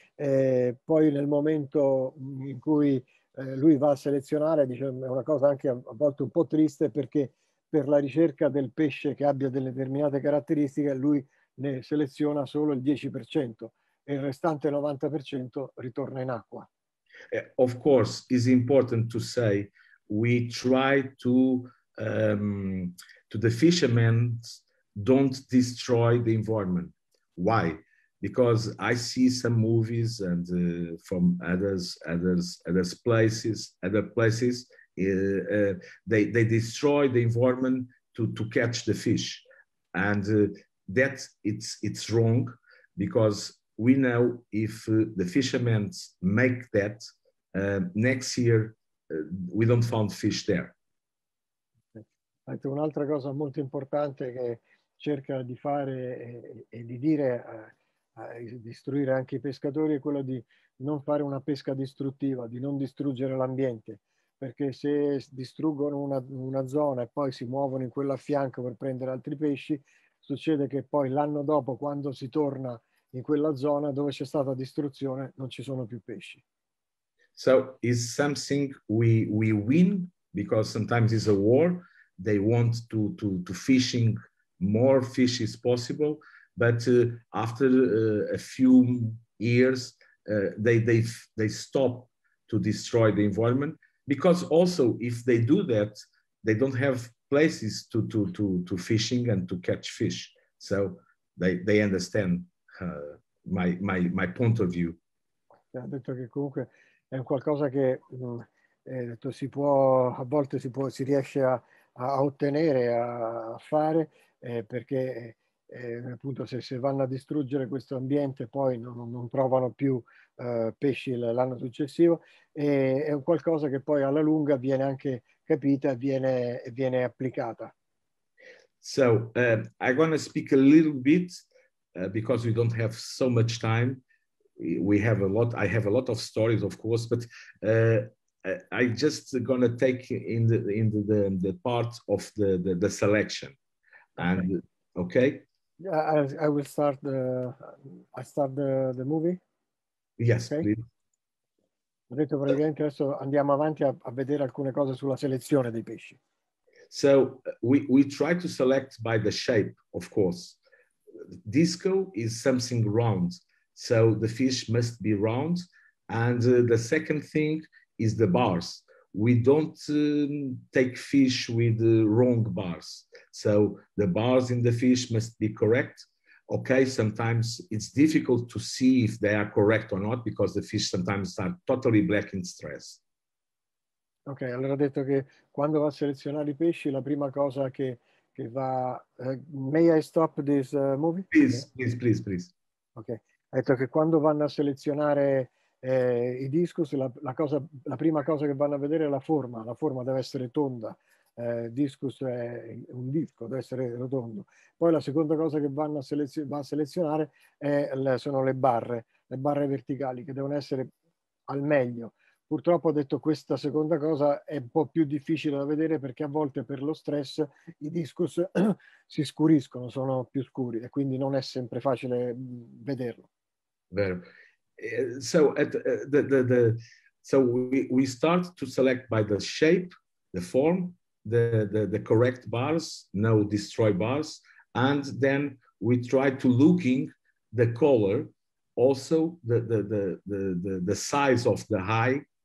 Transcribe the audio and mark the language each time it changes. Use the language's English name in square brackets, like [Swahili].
[Italian] Poi nel momento in cui lui va a selezionare, dice, è una cosa anche a volte un po' triste perché per la ricerca del pesce che abbia delle determinate caratteristiche lui ne seleziona solo il 10% e il restante 90% ritorna in acqua. [English] Of course, it's important to say we try to the fishermen don't destroy the environment. Why? Because I see some movies and from other places, they destroy the environment to catch the fish, and that it's wrong, because we know if the fishermen make that next year we don't find fish there. [Italian] Un'altra cosa molto importante che cerca di fare e di dire di istruire anche i pescatori è quello di non fare una pesca distruttiva, di non distruggere l'ambiente, perché se distruggono una zona e poi si muovono in quella a fianco per prendere altri pesci, succede che poi l'anno dopo, quando si torna in quella zona dove c'è stata distruzione, non ci sono più pesci. [English] So it's something we win, because sometimes it's a war. They want to fishing more fish is possible, but after a few years they stop to destroy the environment, because also if they do that they don't have places to fishing and to catch fish. So they understand my point of view. [Italian] Ha detto che comunque è un qualcosa che detto si può, a volte si può, si riesce a ottenere, a fare, perché appunto se vanno a distruggere questo ambiente poi non trovano più pesci l'anno successivo, e è un qualcosa che poi alla lunga viene anche capita e viene applicata. [English] So I want to speak a little bit because we don't have so much time. We have a lot, I have a lot of stories of course, but I just gonna take in the part of the selection. And okay. I will start the movie. Yes, okay. Please. [Italian] Ho detto praticamente adesso andiamo avanti a vedere alcune cose sulla selezione dei pesci. [English] So we try to select by the shape, of course. Disco is something round, so the fish must be round. And the second thing is the bars. We don't take fish with the wrong bars. So the bars in the fish must be correct. Okay, sometimes it's difficult to see if they are correct or not, because the fish sometimes are totally black in stress. [Italian] Ok, allora ho detto che quando va a selezionare i pesci, la prima cosa che va... [English] may I stop this movie? Please. [Italian] Ok, ha detto che quando vanno a selezionare i discus, la prima cosa che vanno a vedere è la forma deve essere tonda, discus è un disco, deve essere rotondo. Poi la seconda cosa che vanno a selezionare sono le barre verticali, che devono essere al meglio. Purtroppo ho detto questa seconda cosa è un po' più difficile da vedere, perché a volte per lo stress i discus si scuriscono, sono più scuri e quindi non è sempre facile vederlo. Vero. [English] So we start to select by the shape, the form, the correct bars, no destroy bars, and then we try to looking the color, also the size of the eye.